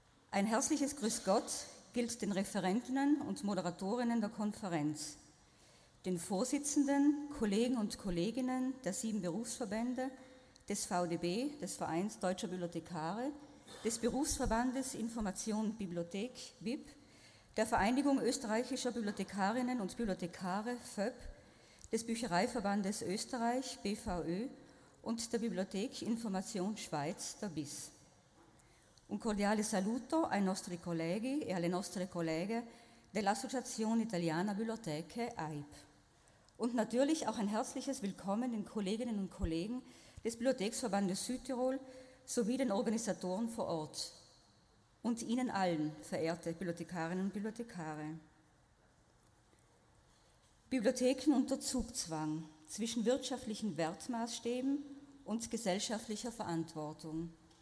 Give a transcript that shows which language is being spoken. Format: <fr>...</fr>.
<de>Ein herzliches Grüß Gott gilt den Referentinnen und Moderatorinnen der Konferenz, den Vorsitzenden, Kollegen und Kolleginnen der 7 Berufsverbände, des VDB, des Vereins Deutscher Bibliothekare, des Berufsverbandes Information Bibliothek, BIP, der Vereinigung österreichischer Bibliothekarinnen und Bibliothekare, FÖB, des Büchereiverbandes Österreich, BVÖ, und der Bibliothek Information Schweiz, der BIS.</de> <it>Un cordiale saluto ai nostri colleghi e alle nostre colleghe dell'Associazione Italiana Bibliotheche, AIP.</it> <de>Und natürlich auch ein herzliches Willkommen den Kolleginnen und Kollegen des Bibliotheksverbandes Südtirol sowie den Organisatoren vor Ort. Und Ihnen allen, verehrte Bibliothekarinnen und Bibliothekare. Bibliotheken unter Zugzwang zwischen wirtschaftlichen Wertmaßstäben und gesellschaftlicher Verantwortung.</de>